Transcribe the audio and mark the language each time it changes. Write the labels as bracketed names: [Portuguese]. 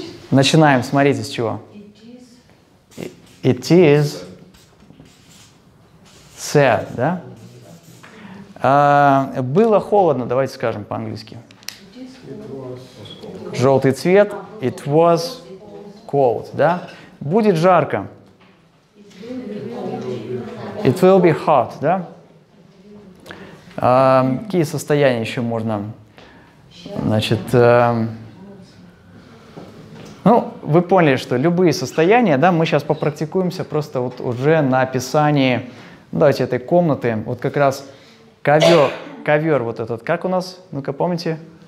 [Russian] Начинаем, смотрите, с чего. [English] It is sad, да? [Russian] Было холодно, давайте скажем по-английски. Желтый цвет. [English] It was cold, да? [Russian] Будет жарко. [English] It will be hot, да? [Russian] Какие состояния еще можно? Значит... Ну, вы поняли, что любые состояния, да, мы сейчас попрактикуемся просто вот уже на описании, давайте, этой комнаты. Вот как раз ковер вот этот, как у нас, ну-ка, помните?